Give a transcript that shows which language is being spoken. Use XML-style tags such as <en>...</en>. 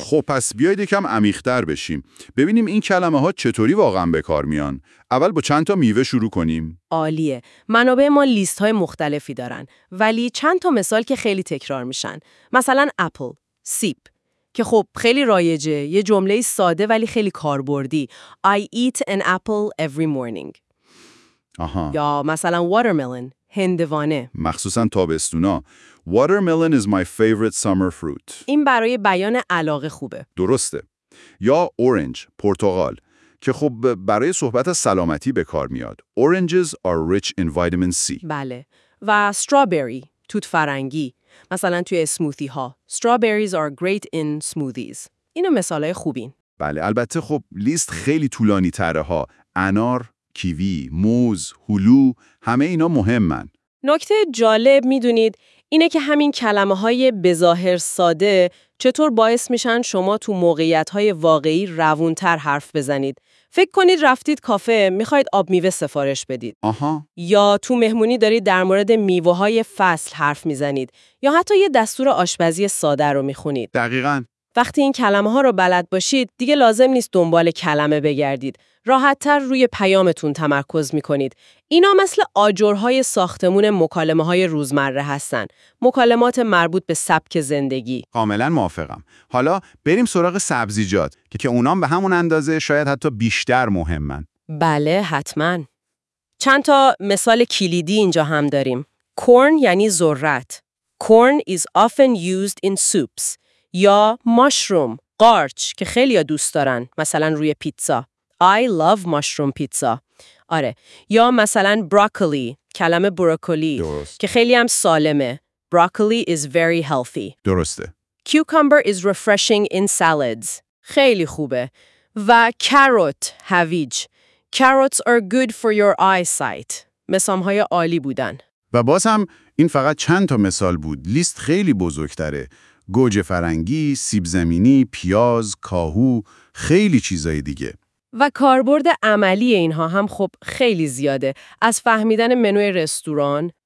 <fa>خب پس بیایید یکم عمیق‌تر بشیم. ببینیم این کلمه‌ها چطوری واقعاً به کار میان. اول با چند تا میوه شروع کنیم. عالیه. منابع ما لیست‌های مختلفی دارن، ولی چند تا مثال که خیلی تکرار میشن. مثلا اپل، سیب. که خیلی رایجه، یه جمله ساده ولی خیلی کاربردی.</fa> <en>I eat an apple every morning.</en> <fa>آها. یا مثلا watermelon، هندوانه. مخصوصا تابستونا.</fa> <en>Watermelon is my favorite summer fruit.</en> <fa>این برای بیان علاقه خوبه. درسته. یا orange، پرتقال، که برای صحبت از سلامتی به کار میاد.</fa> <en>Oranges are rich in vitamin C.</en> <fa>بله. و strawberry، توت فرنگی. مثلا توی اسموتی ها.</fa> <en>Strawberries are great in smoothies.</en> <fa>اینو مثال های خوبین. بله، البته لیست خیلی طولانی تره ها. انار، کیوی، موز، هلو، همه اینا مهمن. نکته جالب میدونید اینه که همین کلمه های به ظاهر ساده چطور باعث میشن شما تو موقعیت های واقعی روون تر حرف بزنید. فکر کنید رفتید کافه، میخواید آب میوه سفارش بدید. آها. یا تو مهمونی دارید در مورد میوه های فصل حرف میزنید. یا حتی یه دستور آشپزی ساده رو میخونید. دقیقاً. وقتی این کلمه ها رو بلد باشید، دیگه لازم نیست دنبال کلمه بگردید. راحت تر روی پیامتون تمرکز میکنید. اینا مثل آجرهای ساختمون مکالمه های روزمره هستن. مکالمات مربوط به سبک زندگی. کاملا موافقم. حالا بریم سراغ سبزیجات که اونام به همون اندازه شاید حتی بیشتر مهمن. بله، حتما. چند تا مثال کلیدی اینجا هم داریم. کورن یعنی ذرت.</fa> <en>Corn is often used in soups.</en> <fa>یا مشروم، قارچ که خیلی ها دوست دارن، مثلا روی پیتزا.</fa> <en>I love mushroom pizza.</en> <fa>آره. یا مثلا broccoli، کلمه بروکلی. درست. که خیلی هم سالمه.</fa> <en>Broccoli is very healthy.</en> <fa>درسته.</fa> <en>Cucumber is refreshing in salads.</en> <fa>خیلی خوبه. و carrot، هویج.</fa> <en>Carrots are good for your eyesight.</en> <fa>مثال های عالی بودن. و باز هم این فقط چند تا مثال بود. لیست خیلی بزرگتره. گوجه فرنگی، سیب زمینی، پیاز، کاهو، خیلی چیزای دیگه. و کاربرد عملی اینها هم خیلی زیاده. از فهمیدن منوی رستوران،</fa>